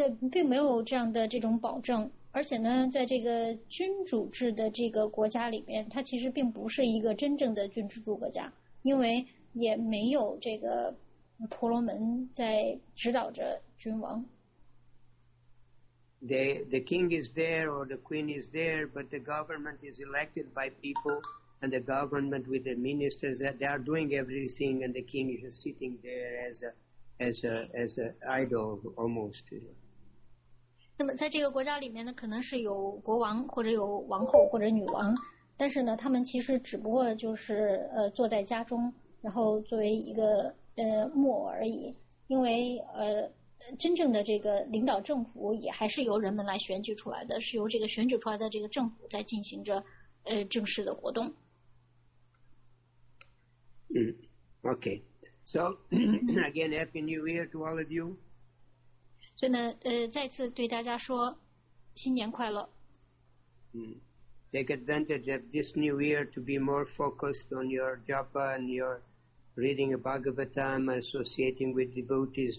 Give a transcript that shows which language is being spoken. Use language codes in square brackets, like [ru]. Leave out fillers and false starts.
[zh] 并没有这样的这种保证，而且呢，在这个君主制的这个国家里面，它其实并不是一个真正的君主制国家，因为也没有这个婆罗门在指导着君王。 [en] The king is there or the queen is there, but the government is elected by people, and the government with the ministers that they are doing everything, and the king is sitting there as a idol almost. [zh] 那么在这个国家里面呢，可能是有国王或者有王后或者女王，但是呢，他们其实只不过就是坐在家中，然后作为一个木偶而已，因为真正的这个领导政府也还是由人们来选举出来的，是由这个选举出来的这个政府在进行着正式的活动。 [en] Okay. So again, Happy New Year to all of you. [zh] 所以呢，再次对大家说新年快乐。 [en] Take advantage of this new year to be more focused on your japa and your reading of Bhagavatam, associating with devotees.